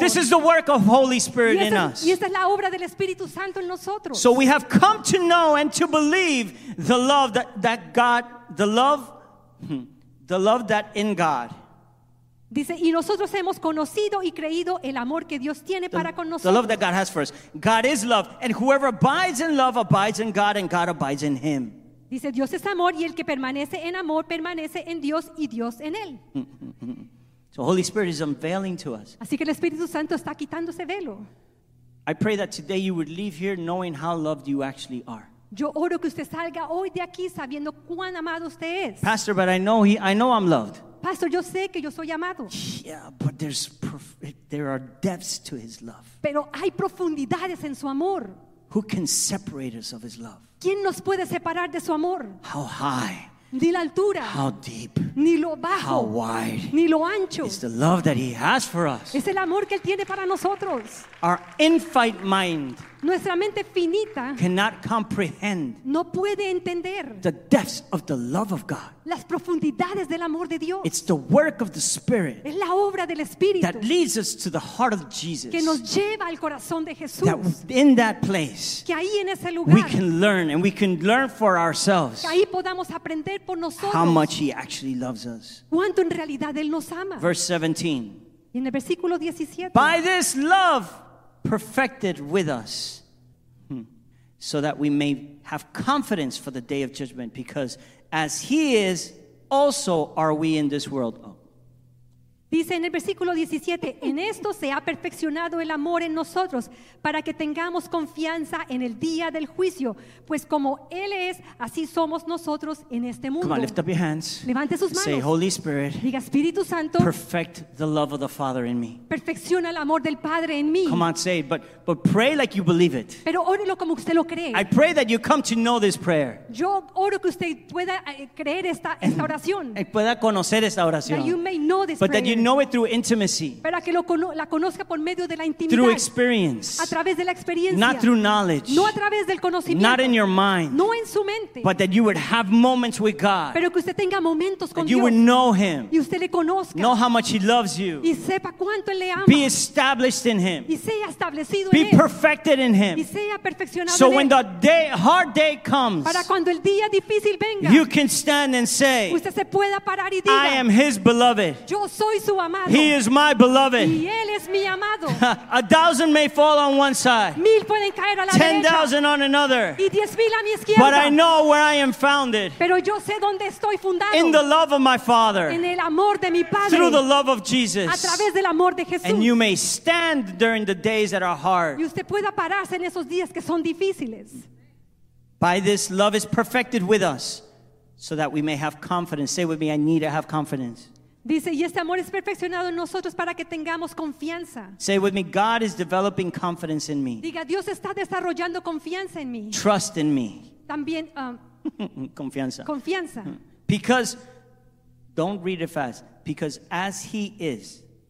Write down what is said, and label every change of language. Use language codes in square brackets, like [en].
[en] This is the work of Holy Spirit in us. [es] Y esta es la obra del Espíritu Santo en nosotros. [en] So we have come to know and to believe the love that God, the love that in God. [es] Dice, y nosotros hemos conocido y creído el amor que Dios tiene para con nosotros. [en] The love that God has for us. God is love, and whoever abides in love abides in God, and God abides in him. [es] Dice, Dios es amor, y el que permanece en amor permanece en Dios, y Dios en él. [en] So Holy Spirit is unveiling to us. [es] Así que el Espíritu Santo está quitando ese velo. [en] I pray that today you would leave here knowing how loved you actually are. [es] Yo oro que usted salga hoy de aquí sabiendo cuán amado usted es. [en] Pastor, but I know I'm loved. [es] Pastor, yo sé que yo soy amado. [en] Yeah, but there are depths to His love. [es] Pero hay profundidades en su amor. [en] Who can separate us of His love? [es] ¿Quién nos puede separar de su amor? [en] How high? [es] Ni la altura. [en] How deep? [es] Ni lo bajo. [en] How wide? [es] Ni lo ancho. [en] It's the love that He has for us. [es] Es el amor que Él tiene para nosotros. [en] Our infinite mind. [es] Nuestra mente finita [en] cannot comprehend. [es] No puede entender [en] the depths of the love of God. [es] Las profundidades del amor de Dios. [en] It's the work of the Spirit. [es] Es la obra del Espíritu [en] that leads us to the heart of Jesus. [es] Que nos lleva al corazón de Jesús. [en] That in that place, [es] que ahí en ese lugar, [en] we can learn, and we can learn for ourselves [es] que ahí podamos aprender por nosotros [en] how much He actually loves us. [es] Cuánto en realidad Él nos ama. [en] Verse 17. [es] Y en el versículo 17. [en] By this love perfected with us, so that we may have confidence for the day of judgment, because as He is, also are we in this world. Oh. [es] Dice en el versículo 17, en esto se ha perfeccionado el amor en nosotros, para que tengamos confianza en el día del juicio, pues como Él es, así somos nosotros en este mundo. [en] Come on, lift up your hands. [es] Levante sus manos. [en] Say, Holy Spirit, [es] diga, Espíritu Santo, [en] perfect the love of the Father in me. [es] Perfecciona el amor del Padre en mí. [en] Come on, say it, but pray like you believe it. [es] Pero órelo como usted lo cree. [en] I pray that you come to know this prayer. [es] Yo oro que usted pueda creer esta oración. Y pueda conocer esta oración. [en] That you may know this but prayer. That you know it through intimacy. [es] Para que la conozca por medio de la intimidad. [en] Through experience. [es] A través de la experiencia. [en] Not through knowledge. [es] No a través del conocimiento. [en] Not in your mind. [es] No en su mente. [en] But that you would have moments with God. [es] Pero que usted tenga momentos con [en] that [es] Dios. [en] You would know Him. [es] Y usted le conozca. [en] Know how much He loves you. [es] Y sepa cuánto Él le ama. [en] Be established in Him. [es] Y sea establecido [en] Be [es] en Él. [en] Perfected in Him. [es] Y sea perfeccionado [en] so [es] en [en] when [es] Él. [en] The day, hard day comes, [es] para cuando el día difícil venga, [en] you can stand and say, [es] usted se pueda parar y diga, [en] I am His beloved. [es] Yo soy su amado. [en] He is my beloved. [es] Y él es mi amado. [en] A thousand may fall on one side. [es] Mil pueden caer a la 10,000 derecha, [en] on another. [es] Y 10,000 a mi izquierda. [en] But I know where I am founded. [es] Pero yo sé dónde estoy fundado. [en] In the love of my Father. [es] En el amor de mi Padre. [en] Through the love of Jesus. [es] A través del amor de Jesús. [en] And you may stand during the days that are hard. [es] Y usted pueda pararse en esos días que son difíciles. [en] By this love is perfected with us, so that we may have confidence. Say with me, I need to have confidence. [es] Dice, y este amor es perfeccionado en nosotros para que tengamos confianza. [en] Say with me, God is developing confidence in me. [es] Diga, Dios está desarrollando confianza en mí. [en] Trust in me. [es] También, confianza. Confianza. [en] Because, don't read it fast, because as He is.